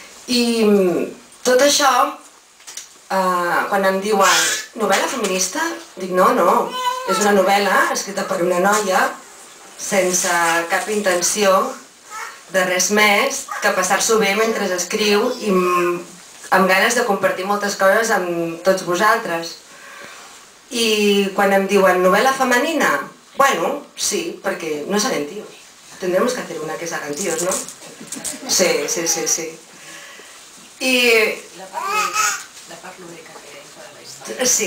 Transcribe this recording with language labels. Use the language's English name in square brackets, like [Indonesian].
[Catalan] I tot això, quan em diuen novel·la feminista, dic no, és una novel·la escrita per una noia sense cap intenció de res més que passar-s'ho bé mentre escriu i amb ganes de compartir moltes coses amb tots vosaltres. I quan em diuen novel·la femenina, bueno, sí, perquè no seran tios. [Spanish] Tendremos que hacer una que seran tios, no? [Catalan] Sí. I... La part lúdica que hi ha per a la història.